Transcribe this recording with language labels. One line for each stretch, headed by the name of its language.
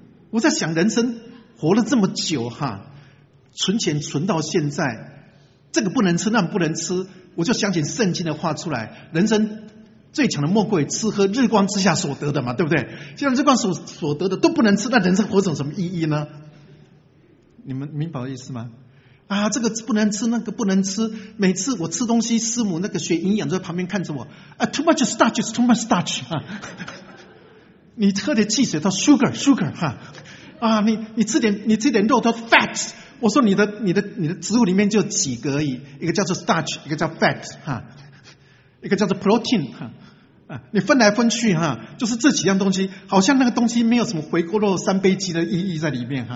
Chinese: 我在想，人生活了这么久哈，存钱存到现在，这个不能吃，那不能吃，我就想起圣经的话出来，人生最强的莫过于吃喝日光之下所得的嘛，对不对？既然日光所得的都不能吃，那人生活着有什么意义呢？你们明白我的意思吗？啊，这个不能吃，那个不能吃。每次我吃东西，师母那个学营养在旁边看着我。
English: 啊 ，too much starch is too much starch 啊。
Chinese: 你喝点汽水，它 sugar 哈、啊。啊，你吃点肉，它 fat。我说你的植物里面就几个而已，一个叫做 starch， 一个叫 fat 哈、啊，一个叫做 protein 哈、啊。啊，你分来分去哈、啊，就是这几样东西，好像那个东西没有什么回锅肉三杯鸡的意义在里面哈。